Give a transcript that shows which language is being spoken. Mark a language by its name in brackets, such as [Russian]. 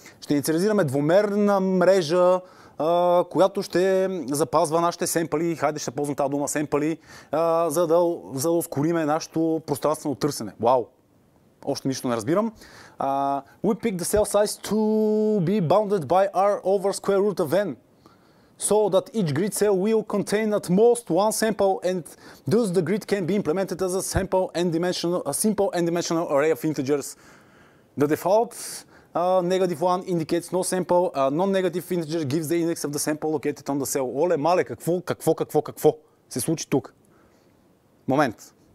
[Bulgarian] Ще инициализираме двумерна мрежа, която ще запазва нашите семпали, хайде ще ползвам тази дума семпали, за да ускориме нашето пространствено търсене. Вау! Още нищо не разбирам. [English] We pick the cell size to be bounded by R over square root of N, so that each grid cell will contain at most one sample and thus the grid can be implemented as a simple n-dimensional array of integers. The default negative 1 indicates no sample, non-negative integer gives the index of the sample located on the cell. [Bulgarian] Оле, мале, какво се случи тук? Момент.